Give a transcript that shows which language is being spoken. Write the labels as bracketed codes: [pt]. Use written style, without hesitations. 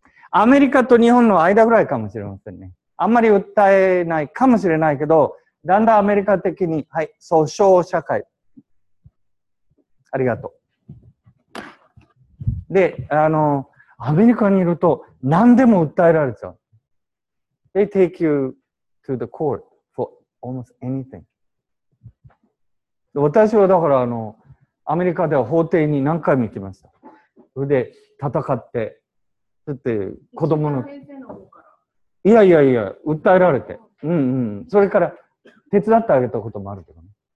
[ja] アメリカと日本の間ぐらいかもしれませんね。あんまり訴えないかもしれないけど、だんだんアメリカ的に、はい、訴訟社会。ありがとう。で、アメリカにいると何でも訴えられちゃう。 [en] They take you to the court for almost anything. [ja] 私はだからアメリカでは法廷に何回も行きました。それで戦って、だって子供の。いやいやいや、訴えられて。うんうん。それから、手伝ってあげたこともあるけどね。